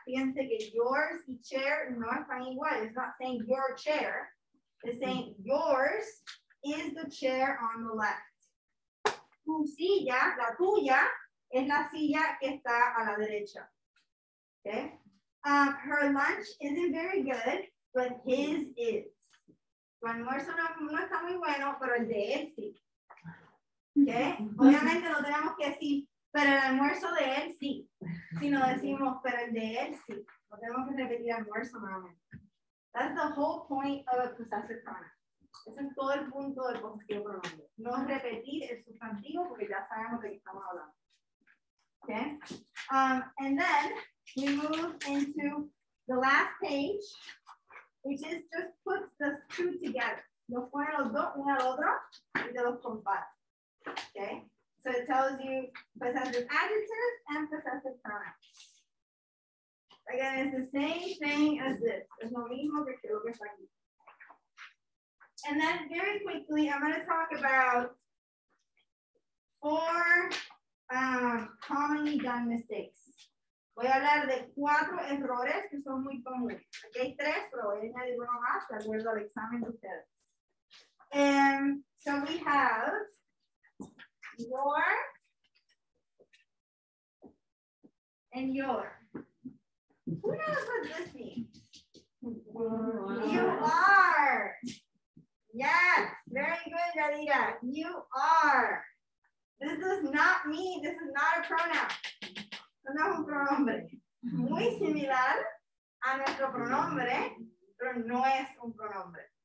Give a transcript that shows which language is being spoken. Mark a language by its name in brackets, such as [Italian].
[Spanish] Fíjense que yours y chair no están igual. [English] It's not saying your chair. It's saying yours is the chair on the left. [Spanish] Tu silla, la tuya, es la silla que está a la derecha. [English] Okay. Her lunch isn't very good, but his is. [Spanish] Su almuerzo no está muy bueno, pero el de él sí. ¿Okay? Obviamente no tenemos que decir, pero el almuerzo de él sí. Si no decimos, pero el de él sí. No tenemos que repetir almuerzo nuevamente. [English] That's the whole point of a possessive pronoun. [Spanish] Ese es todo el punto del posesivo pronombre. No repetir el sustantivo porque ya sabemos de qué estamos hablando. [English] Okay. And then we move into the last page, which is just puts the two together. [Spanish] Los pone los dos uno al otro y te los compara. [English] Okay. So it tells you possessive adjectives and possessive pronouns. Again, it's the same thing as this. [Spanish] Es lo mismo que lo que está aquí. [English] And then very quickly, I'm going to talk about four commonly done mistakes. [Spanish] Voy a hablar de cuatro errores que son muy comunes. Aquí hay tres, pero voy a añadir uno más de acuerdo al examen de ustedes. [English] And so we have your and your. Who knows what this means? You are. Yes, very good, Yadira. You are. This does not mean, this is not a pronoun. [Spanish] No es un pronombre. Muy similar a nuestro pronombre, pero no es un pronombre.